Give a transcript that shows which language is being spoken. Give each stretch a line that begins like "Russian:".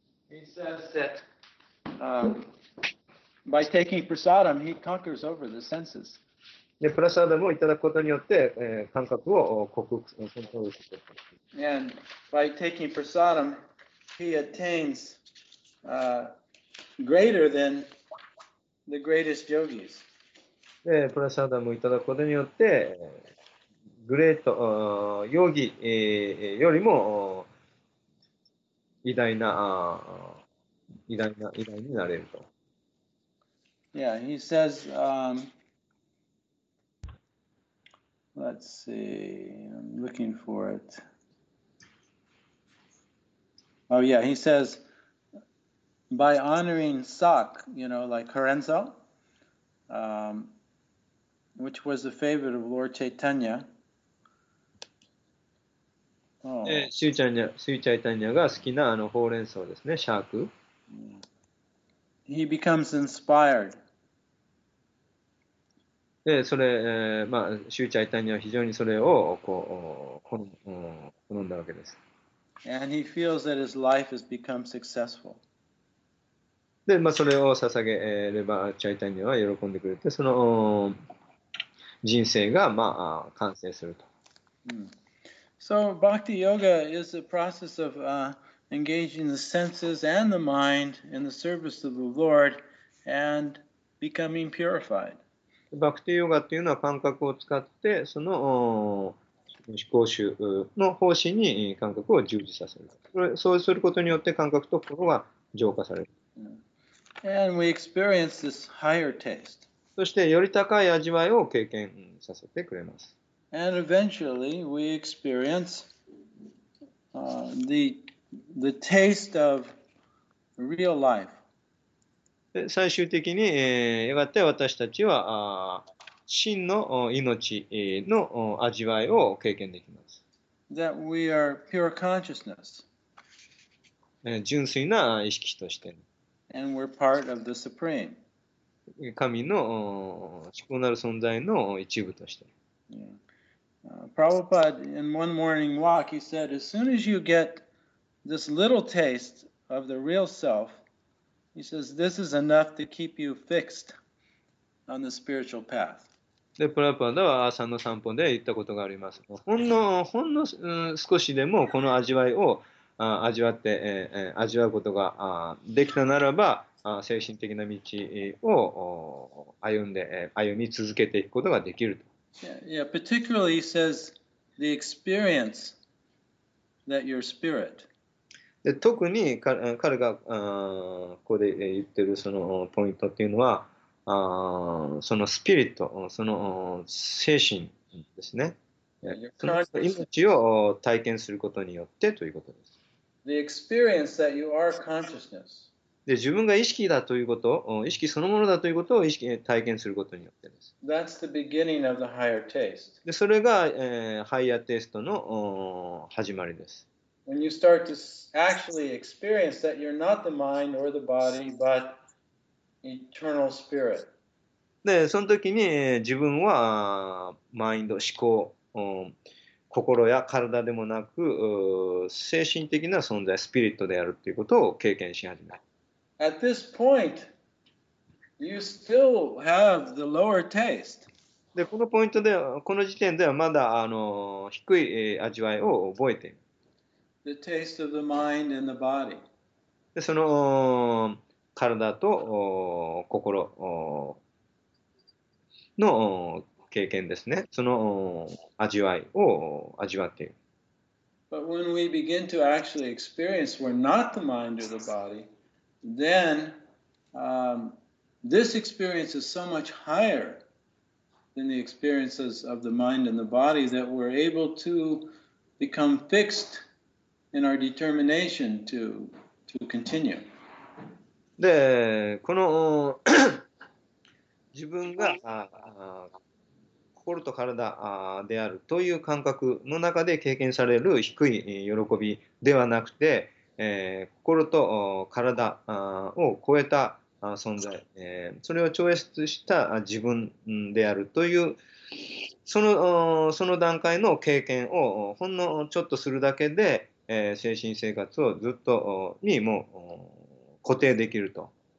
English: He says that by taking prasadam, he conquers over the senses.
Japanese: で、プラサダムをいただくことによって、感覚を克服することができる。
English: And by taking prasadam, he attains greater than the greatest yogis.
Japanese: で、プラサダムをいただくことによって、グレート、ヨギ、よりも、偉大になれると。
English: Yeah, he says, let's see, I'm looking for it. Oh yeah, he says, by honoring Sak, you know, like Horenzo, which was the favorite of Lord Chaitanya.
Japanese: Sui Chaitanya が好きなあのほうれん草ですね、シャーク。
English: He becomes inspired.
Japanese: でそれ、まあ、シューチャイタニアは非常にそれをこう好んだわけです。
English: And he feels that his life has become successful.
Japanese: で、まあ、それを捧げれば、チャイタニアは喜んでくれて、その人生が、まあ、完成すると。 Mm.
English: So, Bhakti Yoga is a process of engaging the senses and the mind in the service of the Lord and becoming purified.
Japanese: バクティヨガというのは感覚を使ってその思考集の方針に感覚を従事させる。そうすることによって感覚と心が浄化される。
English: And we experience this higher taste.
Japanese: そしてより高い味わいを経験させてくれます。
English: And eventually we experience the taste of real life.
Japanese: で最終的に、やがて私たちは真の命の味わいを経験できます。
English: That we are pure consciousness.
Japanese: 純粋な意識として。
English: And we're part of the supreme.
Japanese: 神の至高なる存在の一部として。
English: Prabhupada, in one morning walk, he said, as soon as you get this little taste of the real self,He says, this is enough to keep you fixed on the spiritual path.
Japanese: で、プラパダは朝の散歩で言ったことがあります。ほんの、少しでもこの味わいを味わって、味わうことができたならば、精神的な道を歩み続けていくことができると。
English: Yeah, particularly he says, the experience that your spirit...
Japanese: で特に彼がここで言っているそのポイントというのはそのスピリット、その精神ですね。命を体験することによってということです。
English: The experience that you are consciousness.
Japanese: で自分が意識だということ、意識そのものだということを意識体験することによってです。
English: That's the beginning of the higher taste.
Japanese: でそれが、
English: higher taste
Japanese: の始まりです。
English: When you start to actually experience that you're not the mind or the body, but eternal spirit.
Japanese: で、その時に自分はマインド、思考、心や体でもなく、精神的な存在、スピリットであるということを経験し始める。
English: At this point, you still have the lower taste.
Japanese: で、このポイントでは、この時点ではまだ低い味わいを覚えている。
English: The taste of the mind and the body.
Japanese: で、その体と心の経験ですね。その味わいを味わっている。
English: But when we begin to actually experience we're not the mind or the body, then this experience is so much higher than the experiences of the mind and the body that we're able to become fixed in our determination to continue.
Japanese: で、この自分が心と体であるという感覚の中で経験される低い喜びではなくて、心と体を超えた存在、それを超越した自分であるというその段階の経験をほんのちょっとするだけで、精神生活をずっとにも固定できると。